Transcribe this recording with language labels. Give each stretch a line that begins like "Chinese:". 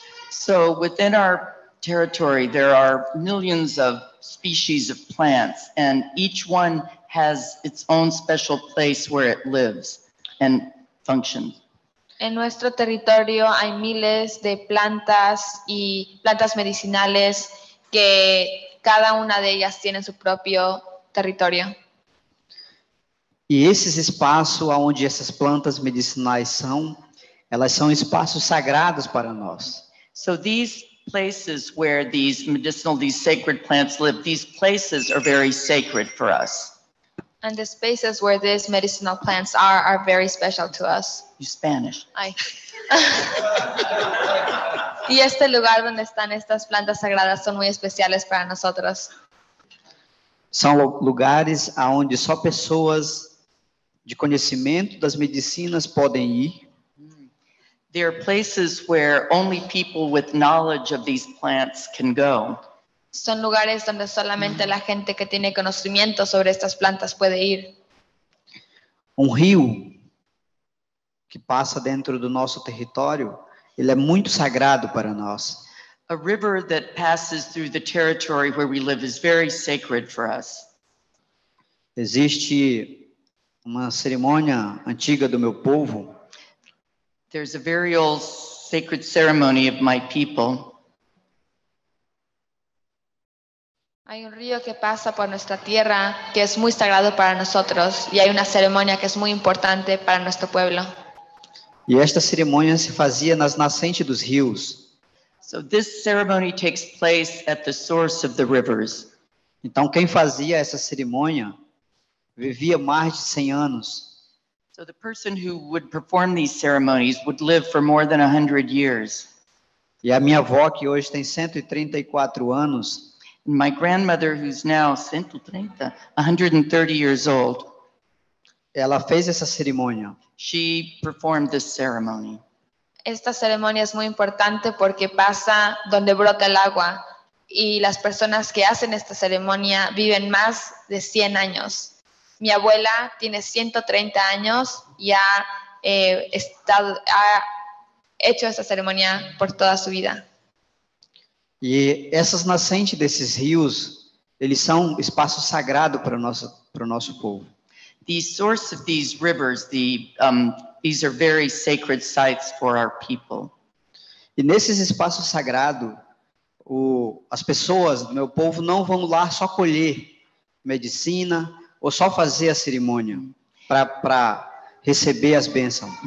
English: So within our territory there are millions of species of plants and each one has its own special place where it lives and functions.
Spanish: En nuestro territorio hay miles de plantas y plantas medicinales que cada una de ellas tiene su propio territorio.
Portuguese: E esses espaços onde essas plantas medicinais são, elas são espaços sagrados para nós.
English: So these places where these medicinal, these sacred plants live, these places are very sacred for us. And the spaces where these medicinal plants are very special to us. You Spanish.
Spanish: Y este lugar donde están estas plantas sagradas son muy especiales para nosotros. Son lugares
Portuguese: aonde só pessoas de conhecimento das medicinas podem ir.
English: There are places where only people with knowledge of these plants can go.
Spanish: Son lugares donde solamente la gente que tiene conocimiento sobre estas plantas puede ir. Un río que pasa dentro de nuestro territorio, él es muy sagrado para nosotros.
English: A river that passes through the territory where we live is very sacred for us.
Spanish: Existe una ceremonia antigua de mi pueblo.
English: There's a very old sacred ceremony of my people.
Spanish: Hay un río que pasa por nuestra tierra que es muy sagrado para nosotros y hay una ceremonia que es muy importante para nuestro pueblo. Y esta ceremonia se hacía en las nacientes de los ríos.
English: So this ceremony takes place at the source of the rivers.
Portuguese: Então quem fazia essa cerimônia vivia mais de 100 anos.
English: So the person who would perform these ceremonies would live for more than 100 years.
Portuguese: E a minha avó que hoje tem 134 anos.
English: My grandmother, who's now 130 years old,
Portuguese: ela fez essa cerimônia.
English: She performed this ceremony.
Spanish: Esta ceremonia es muy importante porque pasa donde brota el agua y las personas que hacen esta ceremonia viven más de 100 años. Mi abuela tiene 130 años y ha hecho esta ceremonia por toda su vida.
Portuguese: E essas nascentes desses rios, eles são espaço sagrado para o nosso povo.
English: The source of these rivers, these are very sacred sites for our people.
Portuguese: E nesses espaços sagrados, as pessoas do meu povo não vão lá só colher medicina ou só fazer a cerimônia para receber as bênçãos.